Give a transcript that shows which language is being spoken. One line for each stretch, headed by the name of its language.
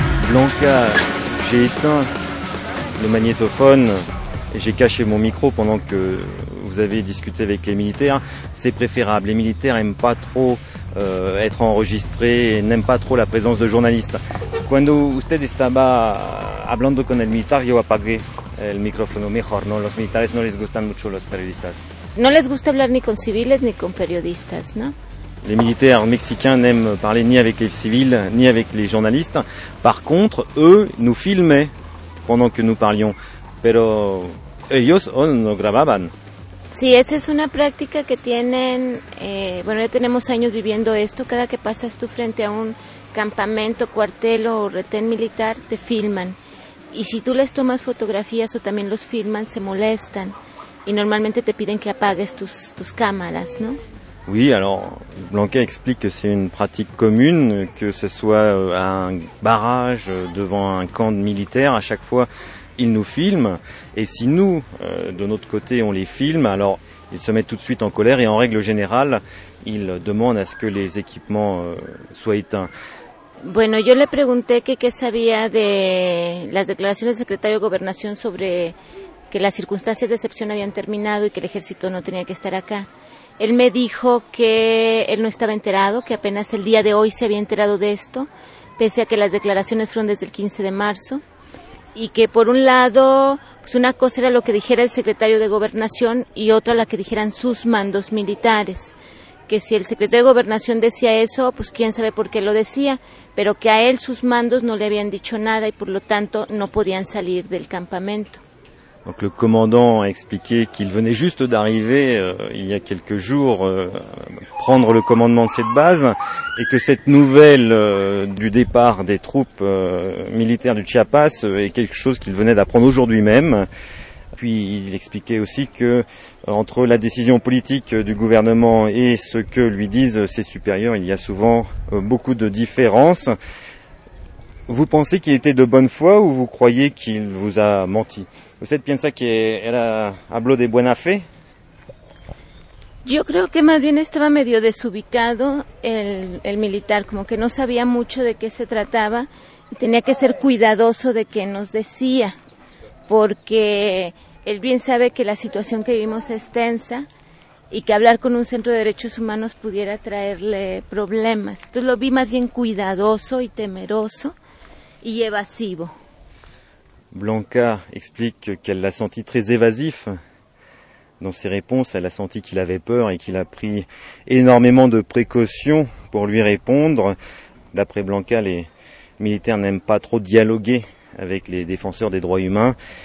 French: Blanca, j'ai éteint le magnétophone et j'ai caché mon micro pendant que vous avez discuté avec les militaires. C'est préférable. Les militaires n'aiment pas trop être enregistrés et n'aiment pas trop la présence de journalistes.
Spanish: Cuando usted estaba hablando con el militar, yo apagué el micrófono. Mejor, ¿no? Los militares no les gustan mucho los periodistas. No les gusta hablar ni con civiles ni con periodistas, ¿no?
French: Les militaires mexicains n'aiment parler ni avec les civils, ni avec les journalistes. Par contre, eux nous filmaient pendant que nous parlions.
Spanish: Pero ellos no grababan. Sí, esa es una práctica que tienen. Bueno, ya tenemos años viviendo esto. Cada que pasas tú frente a un campamento, cuartel o retén militar, te filman. Y si tú les tomas fotografías o también los filman, se molestan. Y normalmente te piden que apagues tus cámaras, ¿no?
French: Oui, alors Blanca explique que c'est une pratique commune, que ce soit à un barrage devant un camp de militaires, à chaque fois ils nous filment, et si nous, de notre côté, on les filme, alors ils se mettent tout de suite en colère, et en règle générale, ils demandent à ce que les équipements soient éteints.
Spanish: Bueno, yo le pregunté qué sabía de las declaraciones del secretario de Gobernación sobre que las circunstancias de excepción habían terminado y que el ejército no tenía que estar acá. Él me dijo que él no estaba enterado, que apenas el día de hoy se había enterado de esto, pese a que las declaraciones fueron desde el 15 de marzo. Y que por un lado, pues una cosa era lo que dijera el secretario de Gobernación y otra la que dijeran sus mandos militares. Que si el secretario de Gobernación decía eso, pues quién sabe por qué lo decía, pero que a él sus mandos no le habían dicho nada y por lo tanto no podían salir del campamento.
French: Donc le commandant a expliqué qu'il venait juste d'arriver il y a quelques jours prendre le commandement de cette base et que cette nouvelle du départ des troupes militaires du Chiapas est quelque chose qu'il venait d'apprendre aujourd'hui même. Puis il expliquait aussi que entre la décision politique du gouvernement et ce que lui disent ses supérieurs, il y a souvent beaucoup de différences. Vous pensez qu'il était de bonne foi ou vous croyez qu'il vous a menti?
Spanish: ¿Usted piensa que era habló de buena fe? Yo creo que más bien estaba medio desubicado el militar, como que no sabía mucho de qué se trataba y tenía que ser cuidadoso de qué nos decía, porque él bien sabe que la situación que vivimos es tensa y que hablar con un centro de derechos humanos pudiera traerle problemas. Entonces lo vi más bien cuidadoso y temeroso y evasivo.
French: Blanca explique qu'elle l'a senti très évasif dans ses réponses. Elle a senti qu'il avait peur et qu'il a pris énormément de précautions pour lui répondre. D'après Blanca, les militaires n'aiment pas trop dialoguer avec les défenseurs des droits humains.